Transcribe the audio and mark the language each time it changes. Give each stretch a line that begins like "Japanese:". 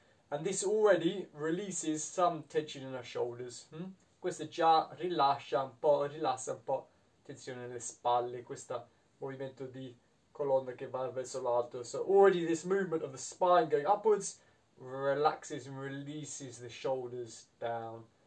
English: And this already releases some tension in our shoulders.
Italian: Questo già rilassa un po'. Tensione nelle spalle, questo movimento di colonna che va verso l'alto.
English: So already this movement of the spine going upwards relaxes and releases the shoulders down.